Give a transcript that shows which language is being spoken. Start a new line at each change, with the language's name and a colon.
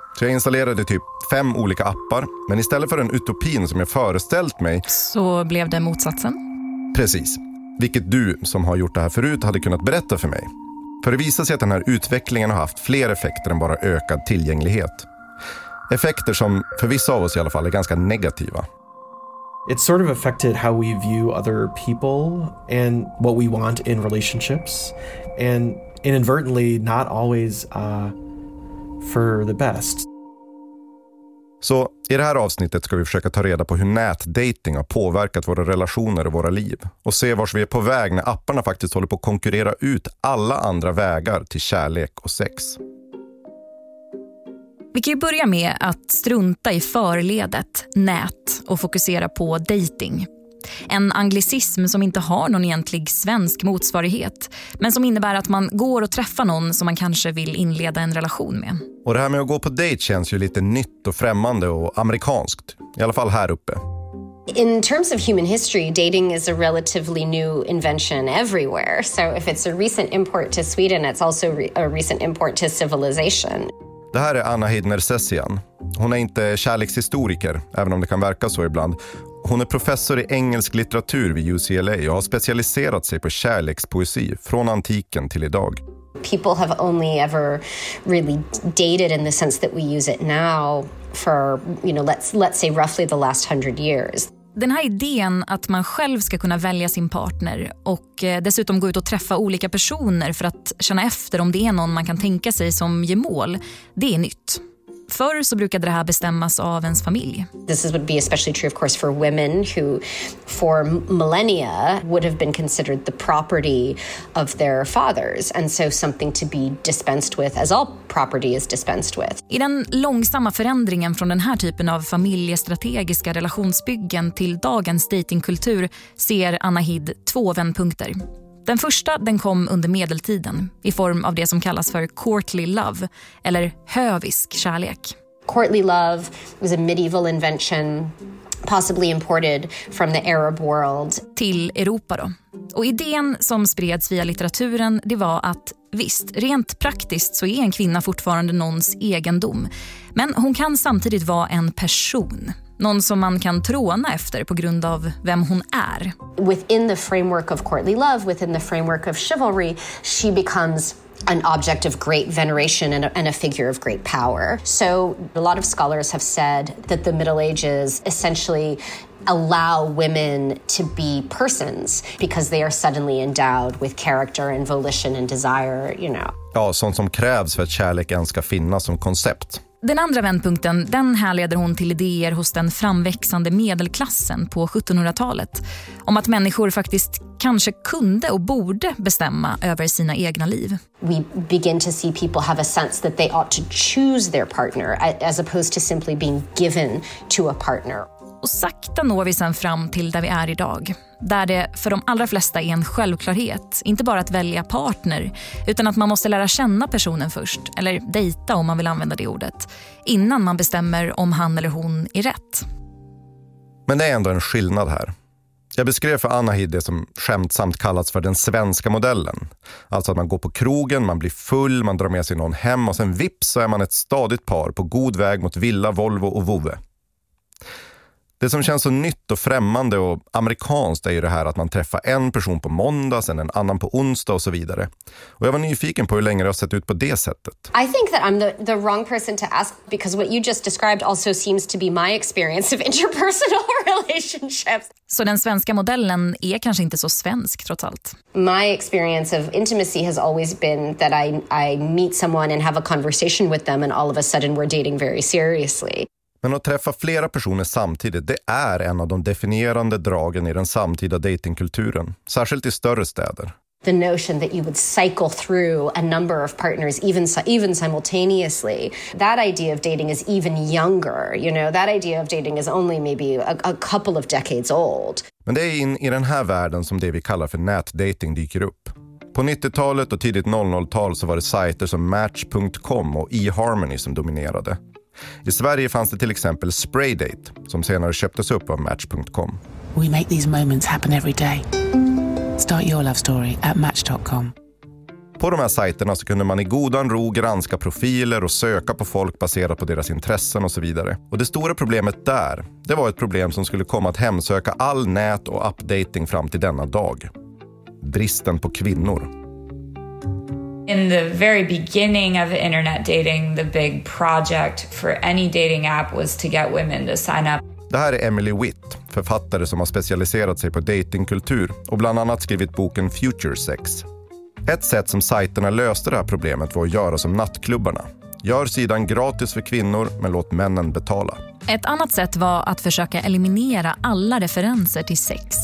Swedish: Så jag installerade typ 5 olika appar, men istället för den utopin som jag föreställt mig... Så blev det motsatsen? Precis, vilket du som har gjort det här förut hade kunnat berätta för mig. För det visar sig att den här utvecklingen har haft fler effekter än bara ökad tillgänglighet. Effekter som för vissa av oss i alla fall är ganska negativa.
English: It sort of affected how we view other people and what we want in relationships and inadvertently not always for the best.
Swedish: Så i det här avsnittet ska vi försöka ta reda på hur nätdating har påverkat våra relationer och våra liv. Och se vars vi är på väg när apparna faktiskt håller på att konkurrera ut alla andra vägar till kärlek och sex. Vi kan ju börja med att strunta i förledet, nät, och fokusera på dating. En anglicism som inte har någon egentlig svensk motsvarighet, men som innebär att man går och träffar någon som man kanske vill inleda en relation med. Och det här med att gå på date känns ju lite nytt och främmande och amerikanskt, i alla fall här uppe.
English: In terms of human history, dating is a relatively new invention everywhere. So if it's a recent import to Sweden, it's also a recent import to civilization.
Swedish: Det här är Anna Hidner-Sessian. Hon är inte kärlekshistoriker, även om det kan verka så ibland. Hon är professor i engelsk litteratur vid UCLA och har specialiserat sig på kärlekspoesi från antiken till idag.
English: People have only ever really dated in the sense that we use it now for, you know, let's say roughly the last 100 years.
Swedish: Den här idén att man själv ska kunna välja sin partner och dessutom gå ut och träffa olika personer för att känna efter om det är någon man kan tänka sig som ger mål, det är nytt. Förr så brukade det här bestämmas av ens familj.
English: This would be especially true of course for women who for millennia would have been considered the property of their fathers and so something to be dispensed with as all property is dispensed with.
Swedish: I den långsamma förändringen från den här typen av familjestrategiska relationsbyggen till dagens datingkultur ser Anna Hid två vändpunkter. Den första, den kom under medeltiden i form av det som kallas för courtly love eller hövisk kärlek.
English: Courtly love was a medieval invention possibly imported from the Arab world
Swedish: till Europa då. Och idén som spreds via litteraturen, det var att visst, rent praktiskt så är en kvinna fortfarande någons egendom, men hon kan samtidigt vara en person. Någon som man kan tråna efter på grund av vem hon är.
English: Within the framework of courtly love, within the framework of chivalry, she becomes an object of great veneration and a figure of great power. So a lot of scholars have said that the Middle Ages essentially allow women to be persons because they are suddenly endowed with character and volition and desire, you know.
Swedish: Ja, sånt som krävs för att kärlek ens ska finnas som koncept. Den andra vändpunkten, den härleder hon till idéer hos den framväxande medelklassen på 1700-talet om att människor faktiskt kanske kunde och borde bestämma över sina egna liv.
English: We begin to see people have a sense that they ought to choose their partner as opposed to simply being given to a partner.
Swedish: Och sakta når vi sen fram till där vi är idag. Där det för de allra flesta är en självklarhet, inte bara att välja partner, utan att man måste lära känna personen först, eller dejta om man vill använda det ordet, innan man bestämmer om han eller hon är rätt. Men det är ändå en skillnad här. Jag beskrev för Anna Hid det som skämtsamt kallats för den svenska modellen. Alltså att man går på krogen, man blir full, man drar med sig någon hem och sen vips så är man ett stadigt par på god väg mot villa, Volvo och Vove. Det som känns så nytt och främmande och amerikanskt är ju det här att man träffar en person på måndag, sen en annan på onsdag och så vidare. Och jag var nyfiken på hur länge det har sett ut på det sättet.
English: I think that I'm the wrong person to ask because what you just described also seems to be my experience of interpersonal relationships.
Swedish: Så den svenska modellen är kanske inte så svensk trots allt.
English: My experience of intimacy has always been that I meet someone and have a conversation with them and all of a sudden we're dating very seriously.
Swedish: Men att träffa flera personer samtidigt, det är en av de definierande dragen i den samtida datingkulturen, särskilt i större städer.
English: The notion that you would cycle through a number of partners even simultaneously, that idea of dating is even younger, you know, that idea of dating is only maybe a couple of decades old.
Swedish: Men det är i den här världen som det vi kallar för nätdating dyker upp. På 90-talet och tidigt 00-tal så var det sajter som Match.com och eHarmony som dominerade. I Sverige fanns det till exempel Spraydate som senare köptes upp av Match.com.
English: We make these moments happen every day. Start your love story at Match.com.
Swedish: På de här sajterna så kunde man i godan ro granska profiler och söka på folk baserat på deras intressen och så vidare. Och det stora problemet där, det var ett problem som skulle komma att hemsöka all nät och updating fram till denna dag. Bristen på kvinnor.
English: In the very beginning of internet dating, the big project for any dating app was to get women to sign up.
Swedish: Det här är Emily Witt, författare som har specialiserat sig på datingkultur och bland annat skrivit boken Future Sex. Ett sätt som sajterna löste det här problemet var att göra som nattklubbarna. Gör sidan gratis för kvinnor, men låt männen betala. Ett annat sätt var att försöka eliminera alla referenser till sex.